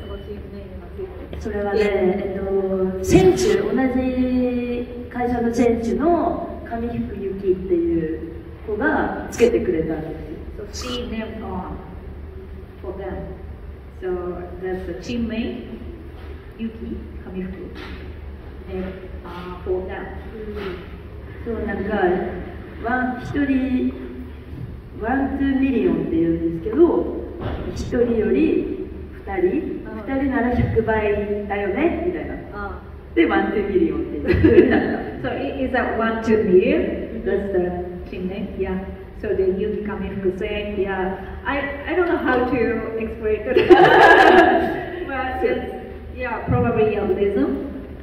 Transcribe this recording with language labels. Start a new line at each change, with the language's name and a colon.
Japanese: あ、チーム名、どうやってそのチーム名になってるの？それはね、センチュ、同じ会社のセンチュの上福ゆきっていう子がつけてくれたんです。
English: So she named for them. So that's the team name, Yuki, 上福 named for them.
Japanese: そう、なんか、一人、ワン・ツー・ミリオンっていうんですけど、一人より二人、二人なら100倍だよねみたいな。で、ワン・ツー・ミリオンってい
English: う。So it is a one two million. That's the team name. Yeah. So the Yuki Kamifuku saying, yeah, I don't know how to explain it. But it's, yeah, probably a rhythm.